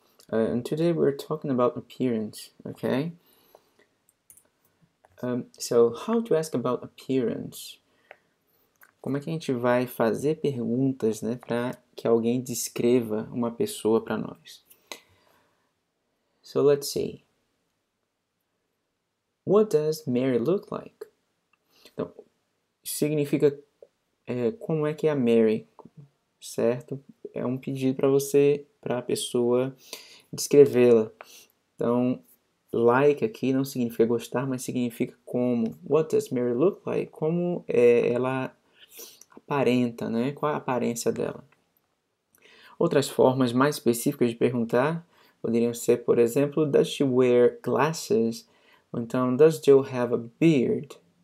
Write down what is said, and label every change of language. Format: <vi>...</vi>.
<en>And today we're talking about appearance, okay? So, how to ask about appearance?</en> <pt>Como é que a gente vai fazer perguntas, né, para que alguém descreva uma pessoa para nós?</pt> <en>So, let's see. What does Mary look like?</en> <pt>Então, significa como é que é a Mary? Certo? É um pedido para você, para a pessoa descrevê-la. Então, like aqui não significa gostar, mas significa como.</pt> <en>What does Mary look like?</en> <pt>Como ela aparenta, né? Qual a aparência dela? Outras formas mais específicas de perguntar poderiam ser, por exemplo,</pt> <en>does she wear glasses?</en> <pt>Ou então,</pt> <en>does Joe have a beard?</en>